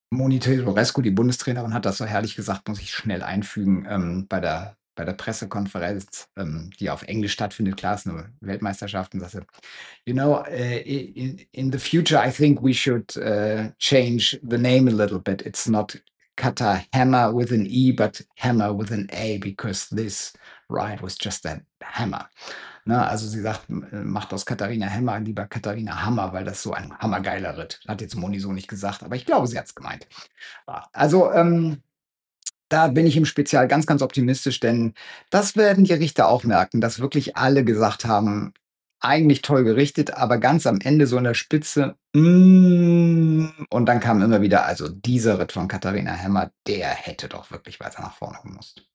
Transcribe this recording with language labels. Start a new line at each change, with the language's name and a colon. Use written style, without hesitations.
German: Moni Tedorescu, die Bundestrainerin, hat das so herrlich gesagt, muss ich schnell einfügen, bei der Pressekonferenz, die auf Englisch stattfindet, klar, ist eine Weltmeisterschaft, und sagte,
English: you know, in the future I think we should change the name a little bit. It's not Kata Hammer with an E, but Hammer with an A, because this ride was just a hammer.
German: Na, also sie sagt, macht aus Katharina Hammer lieber Katharina Hammer, weil das so ein hammergeiler Ritt. Hat jetzt Moni so nicht gesagt, aber ich glaube, sie hat es gemeint. Also da bin ich im Spezial ganz, ganz optimistisch, denn das werden die Richter auch merken, dass wirklich alle gesagt haben, eigentlich toll gerichtet, aber ganz am Ende so in der Spitze, und dann kam immer wieder, also dieser Ritt von Katharina Hammer, der hätte doch wirklich weiter nach vorne gemusst.